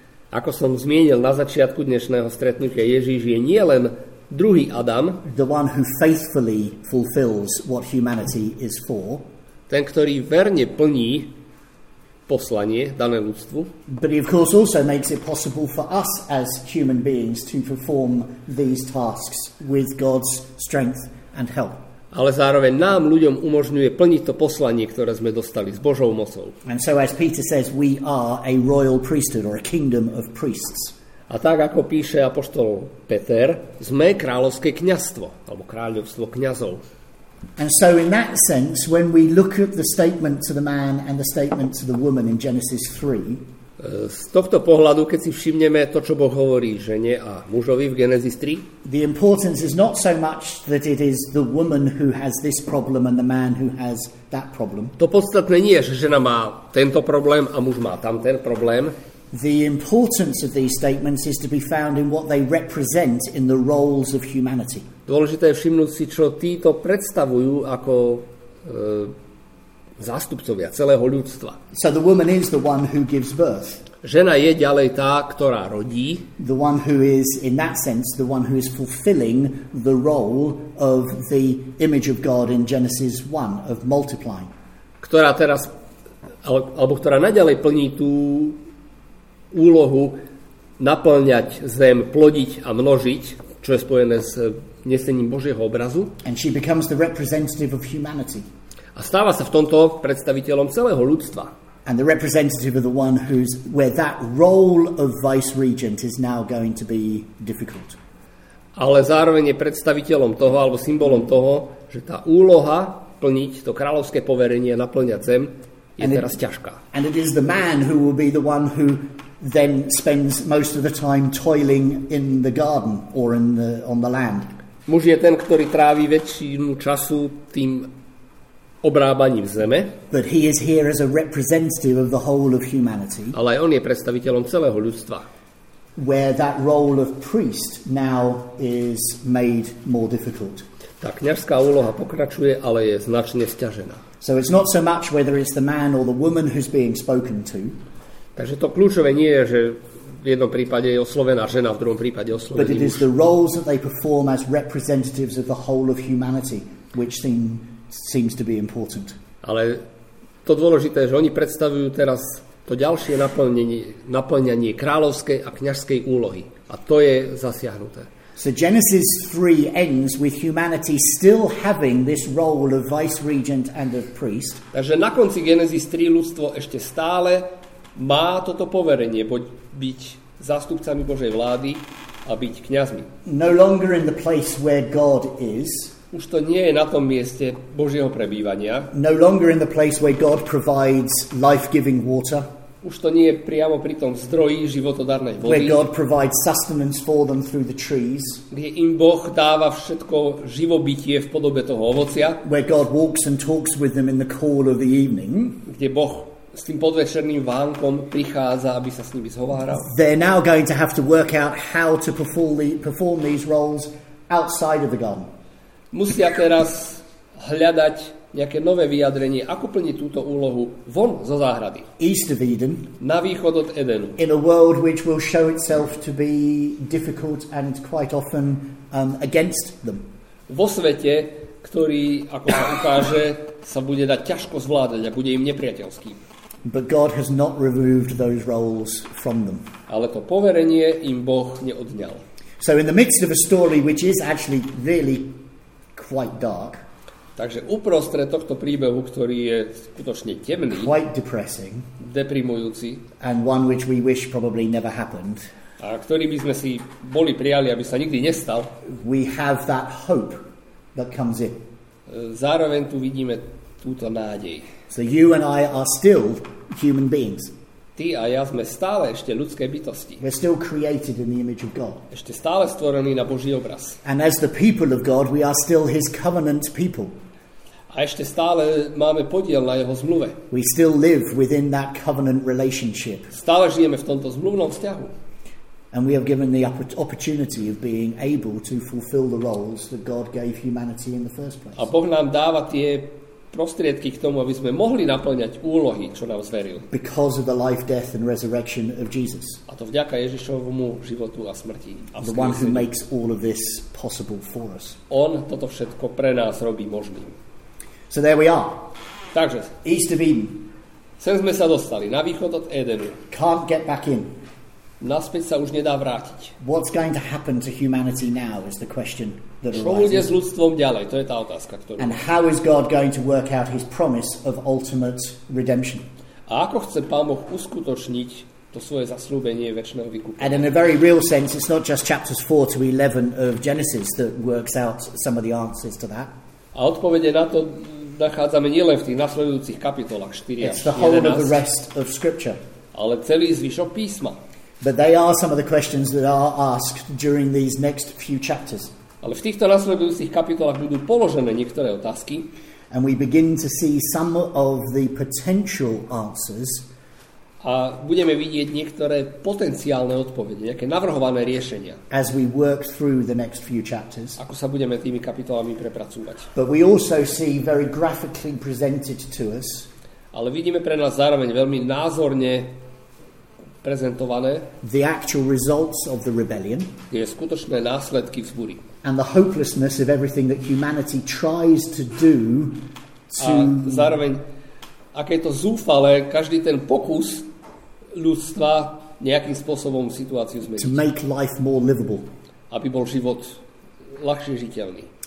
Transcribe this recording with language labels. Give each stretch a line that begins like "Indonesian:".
Slovak: Ako som zmienil na začiatku dnešného stretnutia, Ježiš je nielen druhý Adam,
English: the one who faithfully fulfills what humanity is for,
Slovak: ten, ktorý verne plní poslanie dané ľudstvu,
English: but he of course also makes it possible for us as human beings to perform these tasks with God's strength and help.
Slovak: Ale zároveň nám ľuďom umožňuje plniť to poslanie, ktoré sme dostali s Božou mocou.
English: And so as Peter says, we are a royal priesthood or a kingdom of priests.
Slovak: A tak ako píše apoštol Peter, sme kráľovské kňazstvo alebo kráľovstvo kňazov.
English: And so in that sense, when we look at the statement to the man and the statement to the woman in Genesis 3,
Slovak: z tohto pohľadu, keď si všimneme to, čo Boh hovorí žene a mužovi v Genesis 3,
English: the importance is not so much that it is the woman who has this problem and the man who has that problem.
Slovak: To podstatné nie je, že žena má tento problém a muž má tamten problém.
English: The importance of these statements is to be found in what they represent in the roles of humanity.
Slovak: Dôležité je všimnúť si, čo títo predstavujú ako zástupcovia celého ľudstva.
English: So the woman is the one who gives birth.
Slovak: Žena je ďalej tá, ktorá rodí.
English: The one who is, in that sense, the one who is fulfilling the role of the image of God in Genesis 1, of multiplying.
Slovak: Ktorá teraz, alebo ktorá naďalej plní tú úlohu naplňať zem, plodiť a množiť, čo je spojené s nesením Božieho obrazu.
English: And she becomes the representative of humanity.
Slovak: A stáva sa v tomto predstaviteľom celého ľudstva.
English: And the representative of the one who's where that role of vice regent is now going to be difficult.
Slovak: Ale zároveň je predstaviteľom toho alebo symbolom toho, že tá úloha plniť to kráľovské poverenie naplňať zem je teraz ťažká.
English: And it is the man who will be the one who then spends most of the time toiling in the garden or in the on the land.
Slovak: Muž je ten, ktorý trávi väčšinu času tým obrábaním zeme.
English: But he is here as a representative of the whole of humanity.
Slovak: Ale aj on je predstaviteľom celého ľudstva.
English: Where that role of priest now is made more difficult.
Slovak: Tá kňazská úloha pokračuje, ale je značne sťažená.
English: So it's not so much whether it's the man or the woman who's being spoken to.
Slovak: Takže to kľúčové nie je, že v jednom prípade je oslovená žena, v druhom prípade oslovený muž.
English: But it is the roles that they perform as representatives of the whole of humanity which seems to be important.
Slovak: Ale to dôležité je, že oni predstavujú teraz to ďalšie naplňanie kráľovskej a kňazskej úlohy. A to je zasiahnuté.
English: So Genesis 3 ends with humanity still having this role of vice regent and of priest.
Slovak: Takže na konci Genesis 3 ľudstvo ešte stále má toto poverenie byť zástupcami Božej vlády a byť kňazmi.
English: No longer in the place where God is.
Slovak: Už to nie je na tom mieste Božieho prebývania.
English: No longer in the place where God provides life-giving water.
Slovak: Už to nie je priamo pri tom zdroji životodarnej vody.
English: Where God provides sustenance for them through the trees.
Slovak: Kde im Boh dáva všetko živobytie v podobe toho ovocia.
English: Where God walks and talks with them in the cool of the evening.
Slovak: Kde Boh s tým podvečerným vánkom prichádza, aby sa s nimi zhováral.
English: They're now going to have to work out how to perform these roles outside of the garden.
Slovak: Musia teraz hľadať nejaké nové vyjadrenie, ako plniť túto úlohu von zo záhrady.
English: East of Eden,
Slovak: na východ od Edenu.
English: In a world which will show itself to be difficult and quite often against them.
Slovak: Vo svete, ktorý, ako sa ukáže, sa bude dať ťažko zvládať a bude im nepriateľský.
English: But God has not removed those roles from them.
Slovak: Ale to poverenie im Boh neodňal.
English: So in the midst of a story which is actually really quite dark.
Slovak: Takže uprostred tohto príbehu, ktorý je skutočne temný,
English: quite depressing,
Slovak: deprimujúci,
English: and one which we wish probably never happened.
Slovak: A ktorý by sme si boli prijali, aby sa nikdy nestal.
English: We have that hope that comes in.
Slovak: Zároveň tu vidíme túto nádej.
English: So you and I are still human beings.
Slovak: Ty a ja sme stále ešte ľudské bytosti.
English: We're still created in the image of God.
Slovak: Ešte stále stvorení na Boží obraz.
English: And as the people of God, we are still his covenant people.
Slovak: A ešte stále máme podiel na jeho zmluve.
English: We still live within that covenant relationship.
Slovak: Stále žijeme v tomto zmluvnom vzťahu.
English: And we have given the opportunity of being able to fulfill the roles that God gave humanity in the first place.
Slovak: A Boh nám dáva tie prostriedky k tomu, aby sme mohli naplňať úlohy, čo nám zveril.
English: Because of the life, death and resurrection of Jesus.
Slovak: A to vďaka Ježišovmu životu a smrti.
English: The one who makes all of this possible for us.
Slovak: On toto všetko pre nás robí možným.
English: So there we are.
Slovak: Takže.
English: East of Eden.
Slovak: Sem sme sa dostali, na východ od Edenu.
English: Can't get back in.
Slovak: Naspäť sa už nedá vrátiť.
English: What's going to happen to humanity now is the question.
Slovak: Čo bude s ľudstvom ďalej? To je tá otázka, ktorú.
English: And how is God going to work out his promise of ultimate redemption?
Slovak: A ako chce Pán Boh uskutočniť to svoje zasľúbenie večného vykúpenia?
English: And in a very real sense, it's not just chapters 4 to 11 of Genesis that works out some of the answers to that.
Slovak: A odpovede na to nachádzame nielen v tých nasledujúcich kapitolách 4 až 11.
English: It's the whole of the rest of scripture.
Slovak: Ale celý zvyšok písma.
English: But they are some of the questions that are asked during these next few chapters.
Slovak: Ale v týchto nasledujúcich kapitolách budú položené niektoré otázky.
English: And we begin to see some of the potential answers.
Slovak: A budeme vidieť niektoré potenciálne odpovede, nejaké navrhované riešenia.
English: As we work through the next few chapters.
Slovak: Ako sa budeme tými kapitolami prepracúvať.
English: But we also see very graphically presented to us.
Slovak: Ale vidíme pre nás zároveň veľmi názorne prezentované
English: the actual results of the rebellion.
Slovak: Tie skutočné následky vzbúry.
English: And the hopelessness of everything that humanity tries to do to.
Slovak: A zároveň, aké je to zúfale, každý ten pokus ľudstva nejakým spôsobom situáciu zmeniť.
English: To make life more livable.
Slovak: Aby bol život ľahšie žiteľný.